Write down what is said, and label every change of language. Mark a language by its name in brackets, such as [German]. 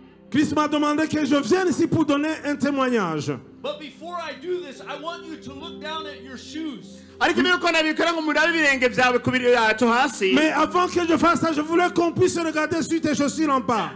[French] Chris m'a demandé que je vienne ici pour donner un témoignage. [English] But before I do this, I want you to look down at your shoes. [French] Mais avant que je fasse ça, je voulais qu'on puisse regarder sur tes chaussures en bas.